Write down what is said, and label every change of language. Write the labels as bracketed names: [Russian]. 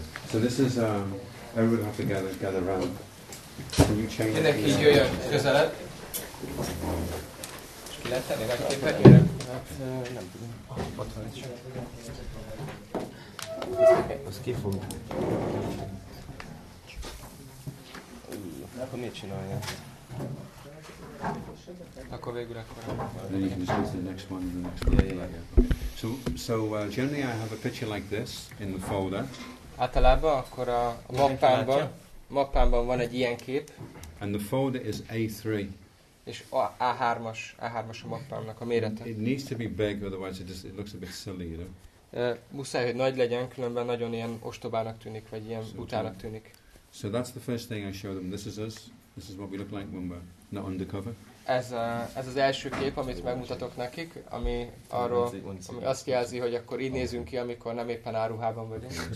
[English] So this is everyone have to gather around. Can you change? [Hungarian] Mindenki így jöjjön közelebb. És ki lehet tenni nagy képet? Hát nem tudom. Ott van egy sem. Az ki fog? Akkor mit csinálja? Akkor végül akkor. [English] Then you can just go to the next one. The next one. Yeah. So generally I have a picture like this in the folder. [Hungarian] Általában akkor a mappámban van egy ilyen kép. [English] And the folder is A3. [Hungarian] És A3-as a mappámnak a mérete. [English] It needs to be big, otherwise it looks a bit silly, you know. [Hungarian] Muszáj, hogy nagy legyen, különben nagyon ilyen ostobának tűnik, vagy ilyen butának tűnik. [English] So that's the first thing I show them. This is us. This is what we look like when we're not undercover. [Hungarian] Ez az első kép, amit megmutatok nekik, ami arról, ami azt jelzi, hogy akkor így nézünk ki, amikor nem éppen áruhában vagyunk.